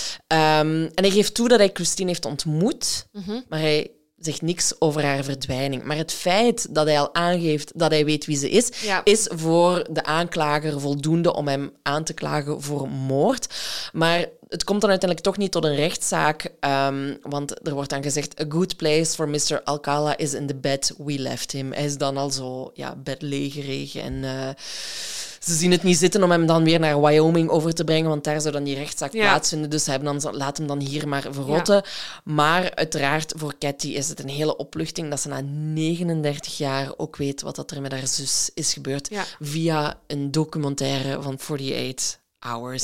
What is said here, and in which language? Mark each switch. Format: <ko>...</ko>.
<nl>En hij geeft toe dat hij Christine heeft ontmoet, maar hij zegt niks over haar verdwijning. Maar het feit dat hij al aangeeft dat hij weet wie ze is, is voor de aanklager voldoende om hem aan te klagen voor moord. Maar het komt dan uiteindelijk toch niet tot een rechtszaak, want er wordt dan gezegd,</nl> <en>a good place for Mr. Alcala is in the bed we left him.</en> <nl>Hij is dan al zo bedlegerig en ze zien het niet zitten om hem dan weer naar Wyoming over te brengen, want daar zou dan die rechtszaak plaatsvinden. Dus laat hem dan hier maar verrotten. Ja. Maar uiteraard, voor Cathy is het een hele opluchting dat ze na 39 jaar ook weet wat er met haar zus is gebeurd via een documentaire van 48 Hours.</nl>